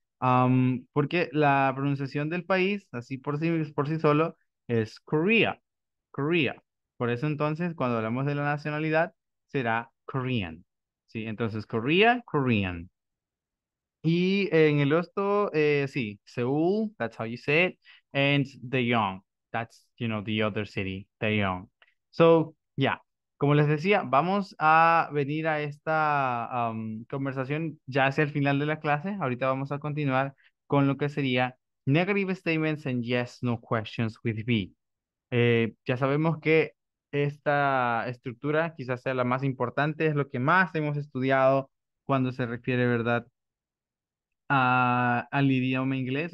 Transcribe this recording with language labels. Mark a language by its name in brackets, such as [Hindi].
[Spanish] Porque la pronunciación del país, así por sí solo, es Korea. Por eso entonces, cuando hablamos de la nacionalidad, será Korean. Sí, entonces Korean. Y en el otro, sí, [English] Seoul, that's how you say it, and Dayong, that's, you know, the other city, Dayong. So, yeah, [Spanish] Como les decía, vamos a venir a esta conversación ya hacia el final de la clase. Ahorita vamos a continuar con lo que sería [English] negative statements and yes, no questions with be. [Spanish] Ya sabemos que esta estructura quizás sea la más importante, es lo que más hemos estudiado cuando se refiere, ¿verdad?, al idioma inglés.